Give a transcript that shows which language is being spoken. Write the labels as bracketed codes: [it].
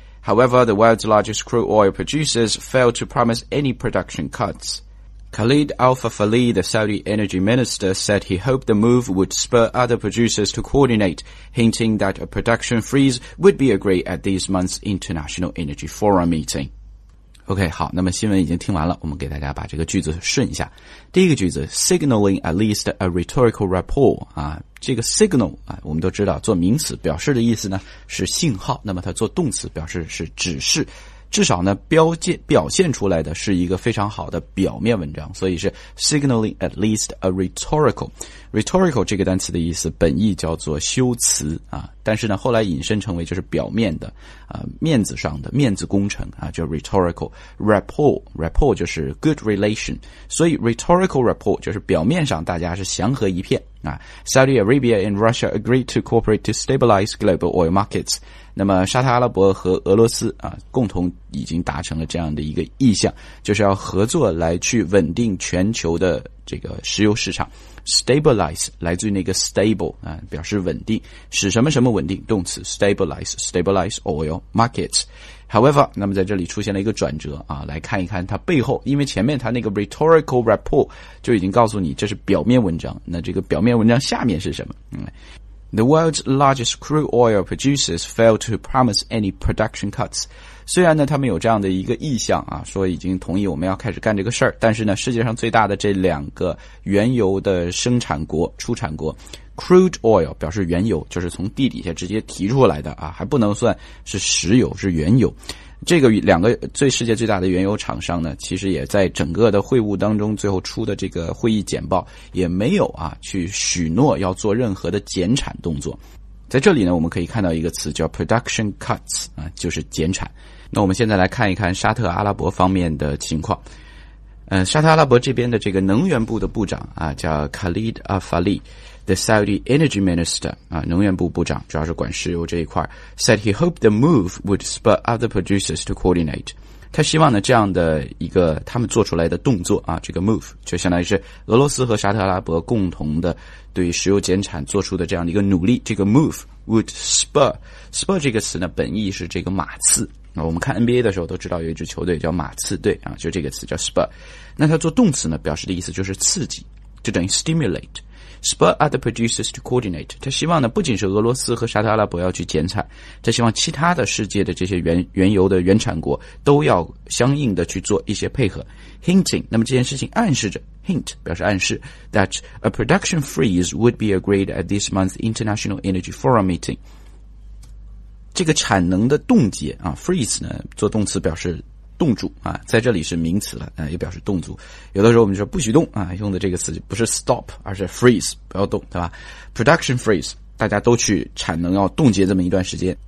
[en] However, the world's largest crude oil producers failed to promise any production cuts. Khalid Al-Fafali, the Saudi energy minister, said he hoped the move would spur other producers to coordinate, hinting that a production freeze would be agreed at this month's International Energy Forum meeting. [zh] OK, 好，那么新闻已经听完了，我们给大家把这个句子顺一下。第一个句子 [en] signaling at least a rhetorical rapport [zh] 啊，这个 signal 啊，我们都知道做名词表示的意思呢是信号，那么它做动词表示是指示，至少呢表现出来的是一个非常好的表面文章，所以是 signaling at least a rhetorical。 rhetorical 这个单词的意思本意叫做修辞啊，但是呢后来引申成为就是表面的啊，面子上的面子工程啊，就 [en] rhetorical rapport [zh] 就是 [en] good relation， [zh] 所以 rhetorical rapport 就是表面上大家是祥和一片啊。 [en] Saudi Arabia and Russia agreed to cooperate to stabilize global oil markets。 [zh] 那么沙特阿拉伯和俄罗斯啊，共同已经达成了这样的一个意向，就是要合作来去稳定全球的这个石油市场。 stabilize 来自于那个 stable 啊，表示稳定，使什么什么稳定，动词 [en] stabilize oil markets。 [zh] however 那么在这里出现了一个转折啊，来看一看它背后，因为前面它那个 rhetorical rapport 就已经告诉你这是表面文章，那这个表面文章下面是什么。 [en] The world's largest crude oil producers failed to promise any production cuts. [zh] 虽然呢他们有这样的一个意向啊，说已经同意我们要开始干这个事儿，但是呢世界上最大的这两个原油的生产国出产国， [en] crude oil [zh] 表示原油，就是从地底下直接提出来的啊，还不能算是石油，是原油。这个两个最世界最大的原油厂商呢，其实也在整个的会晤当中最后出的这个会议简报也没有啊去许诺要做任何的减产动作。在这里呢我们可以看到一个词叫 production cuts 啊，就是减产。那我们现在来看一看沙特阿拉伯方面的情况。沙特阿拉伯这边的这个能源部的部长啊，叫 [en] Khalid Al-Fali, the Saudi Energy Minister, 啊， [zh] 能源部部长，主要是管石油这一块， [en] said he hoped the move would spur other producers to coordinate. [zh] 他希望呢，这样的一个他们做出来的动作啊，这个 move, 就相当于是俄罗斯和沙特阿拉伯共同的对石油减产做出的这样的一个努力，这个 [en] move would spur [zh] 这个词呢，本意是这个马刺。那我们看 NBA 的时候都知道有一支球队叫马刺队啊，就这个词叫 spur。那它做动词呢，表示的意思就是刺激，就等于 stimulate。 [en] spur other producers to coordinate。 [zh] 他希望呢，不仅是俄罗斯和沙特阿拉伯要去减产，他希望其他的世界的这些原油的原产国都要相应的去做一些配合。 [en] hinting， [zh] 那么这件事情暗示着 [en] ，hint [zh] 表示暗示 [en] ，that a production freeze would be agreed at this month's International Energy Forum meeting。 [zh] 这个产能的冻结啊 ，freeze 呢做动词表示冻住啊，在这里是名词了，也表示冻住。有的时候我们就说不许动啊，用的这个词不是 stop， 而是 freeze， 不要动，对吧 ？ [en] Production freeze， [zh] 大家都去产能要冻结这么一段时间。